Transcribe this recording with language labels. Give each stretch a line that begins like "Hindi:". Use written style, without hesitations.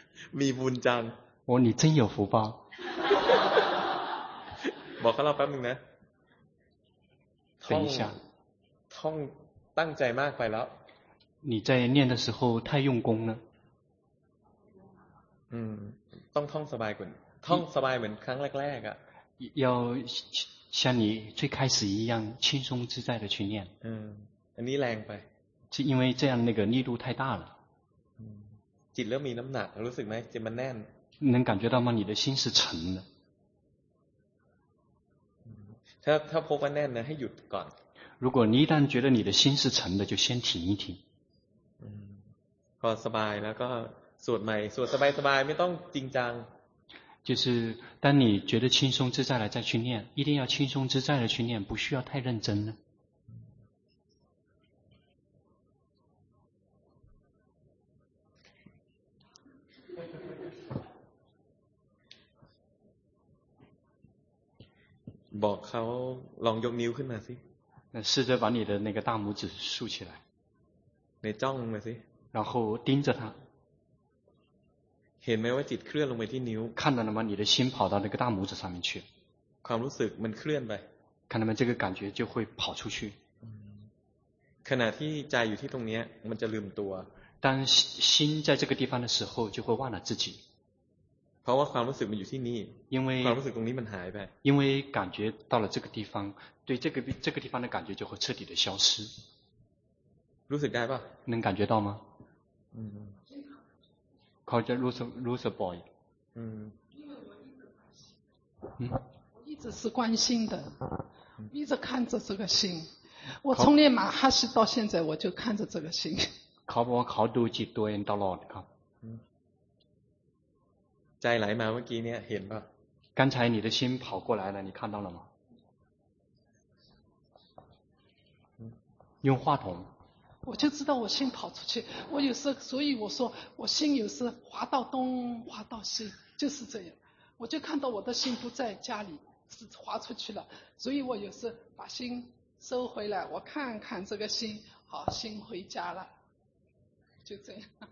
Thai: มีบุญจัง
Chinese: 哦你真有福报
Thai: บอกเขาเราแป๊บนึงนะ
Chinese: 等一下
Thai: ท่องตั้งใจมากไปแล้ว
Chinese: 你在念的时候太用功了
Thai: ต้องท่องสบายกว่าท่องสบายเหมือนครั้งแรกๆอ่ะ
Chinese: 要像你最开始一样轻松自在的去念
Thai: อันนี้แรงไป
Chinese: 是因为这样那个力度太大了
Thai: จิตเริ่มมีน้ำหนักรู้สึกไหมจิตมันแน่น
Chinese: 能感觉到吗你的心是沉的
Thai: ถ้าพบว่าแน่นนะให้หยุดก่อน
Chinese: 如果你一旦觉得你的心是沉的就先停一停
Thai: พอสบายแล้วก็สวดใหม่สวดสบายๆไม่ต้องจริงจัง
Chinese: 就是当你觉得轻松自在了再去念一定要轻松自在的去念不需要太认真了
Thai: บอกเขาลองยกนิ้วขึ้นมาสิ
Chinese: 试着把你的那个大拇指竖起来
Thai: ในจ้องมาสิ
Chinese: 然后盯着他
Thai: เห็นไหมว่าจิตเคลื่อนลงไปที่นิ้ว
Chinese: 看到了吗你的心跑到那个大拇指上面去
Thai: ความรู้สึกมันเคลื่อนไป
Chinese: 看到没这个感觉就会跑出去
Thai: ขณะที่ใจอยู่ที่ตรงนี้มันจะลืมตัว
Chinese: 当心在这个地方的时候就会忘了自己
Thai: เพราะว่าความรู้สึกมันอยู่ที่นี่
Chinese: 因为
Thai: ความรู้สึกตรงนี้มันหายไป
Chinese: 因为感觉到了这个地方对这个地方的感觉就会彻底的消失
Thai: รู้สึกได้ป่ะ
Chinese: 能感觉到吗
Thai: เขาจะรู้สึกบ่อย
Chinese: 一直是关心的一直看着这个心我从练马哈士到现在我就看着这个心
Thai: เขาบอกว่าเขาดูจิตตัวเองตลอดครับ ใจไหลมาเมื่อกี้เนี่ยเห็นป่ะ
Chinese: 刚才你的心跑过来了你看到了吗用话筒我就知道我心跑出去我有时所以我说我心有时滑到东滑到西就是这样我就看到我的心不在家里是滑出去了所以我有时把心收回来我看看这个心好心回家了就这样